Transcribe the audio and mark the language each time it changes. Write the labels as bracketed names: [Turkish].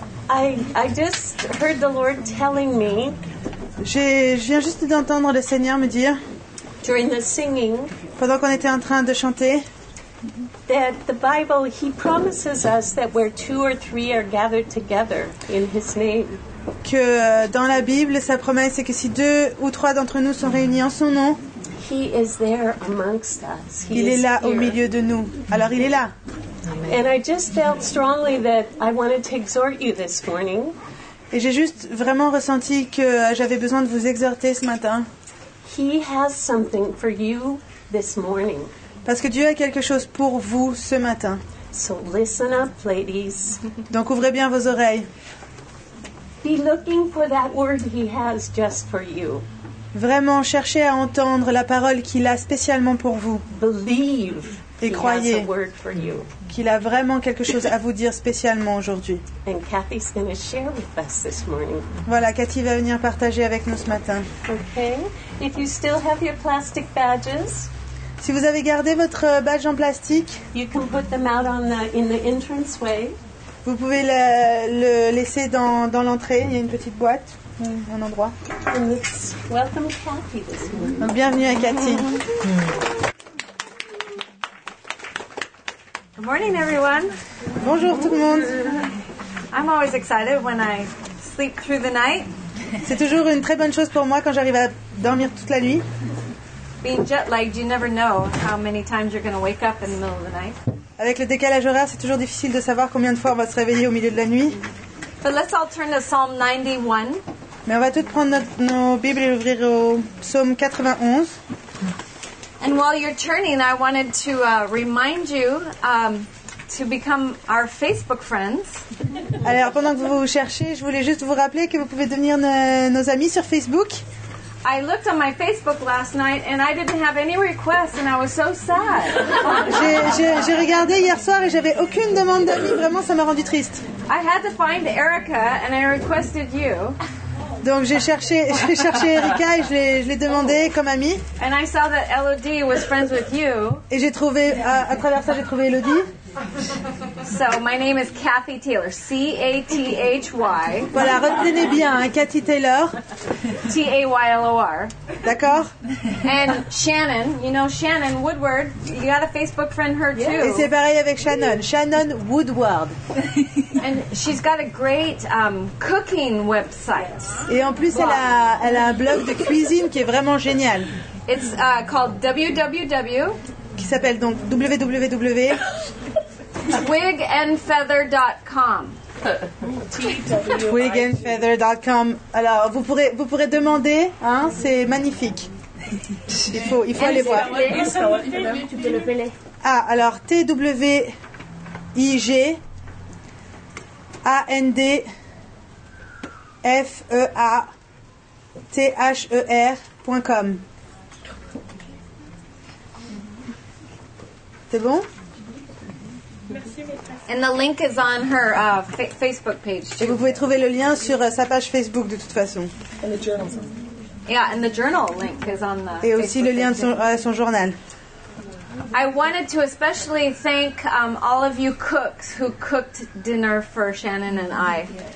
[English] I just heard the Lord telling me. [French] Je viens juste d'entendre le Seigneur me dire. [English] During the singing. [French] Pendant qu'on était en train de chanter. [English] That the Bible, He promises us that where two or three are gathered together in His name. [French] Que dans la Bible, sa promesse est que si deux ou trois d'entre nous sont réunis en son nom, [English] He is there amongst us. [French] Il est là au milieu de nous. Alors il est là. [English] And I just felt strongly that I wanted to exhort you this morning. [French] Et j'ai juste vraiment ressenti que j'avais besoin de vous exhorter ce matin. [English] He has something for you this morning. [French] Parce que Dieu a quelque chose pour vous ce matin. [English] So listen up, ladies. [French] Donc ouvrez bien vos oreilles. [English] Be looking for that word He has just for you. [French] Vraiment, cherchez à entendre la parole qu'il a spécialement pour vous. [English] Believe [French] et croyez [English] he has a word for you. [French] Qu'il a vraiment quelque chose à vous dire spécialement aujourd'hui. [English] And Kathy's gonna share with us this morning. [French] Voilà, Cathy va venir partager avec nous ce matin. [English] Okay. If you still have your plastic badges, [French] si vous avez gardé votre badge en plastique, [English] you can put them out on the, in the entrance way. [French] Vous pouvez le laisser dans l'entrée. Il y a une petite boîte, un endroit. [English] Welcome Cathy this morning. [French] Donc, bienvenue à Cathy. [English] Good morning, everyone. [French] Bonjour tout le monde. [English] I'm always excited when I sleep through the night. [French] C'est toujours une très bonne chose pour moi quand j'arrive à dormir toute la nuit. [English] Being jet-lagged, you never know how many times you're going to wake up in the middle of the night. [French] Avec le décalage horaire, c'est toujours difficile de savoir combien de fois on va se réveiller au milieu de la nuit. [English] But let's all turn to Psalm 91. [French] Mais on va toutes prendre nos Bibles et ouvrir au Psaume 91. [English] And while you're turning, I wanted to remind you to become our Facebook friends. [French] Alors pendant que vous cherchez, je voulais juste vous rappeler que vous pouvez devenir nos amis sur Facebook. [English] I looked on my Facebook last night and I didn't have any requests and I was so sad. [French] J'ai regardé hier soir et j'avais aucune demande d'amis. Vraiment, ça m'a rendu triste. [English] I had to find Erica and I requested you. [French] Donc j'ai cherché Erica et je l'ai demandé comme amie. [English] And I saw that Elodie was friends with you. [French] Et j'ai trouvé à travers ça, j'ai trouvé Elodie. [English] So my name is Kathy Taylor. C A T H Y. [French] Voilà, retenez bien, hein, Kathy Taylor. [English] T A Y L O R. [French] D'accord. [English] And Shannon, you know Shannon Woodward. You got a Facebook friend her too. [French] Et c'est pareil avec Shannon. Shannon Woodward. [English] And she's got a great cooking website. [French] Et en plus, elle a un blog de cuisine qui est vraiment génial. [English] It's called www. [French] Qui s'appelle donc www. Wigandfeather.com. Wigandfeather.com. Alors, vous pourrez demander, hein, c'est magnifique. Il faut aller voir. Ah, alors wigandfeather.com. C'est bon? [English] And the link is on her Facebook page too. [French] Et vous pouvez trouver le lien sur sa page Facebook de toute façon. [English] And the journal. Yeah, and the journal link is on the. [French] Et aussi Facebook le lien de son journal. [English] I wanted to especially thank all of you cooks who cooked dinner for Shannon and I.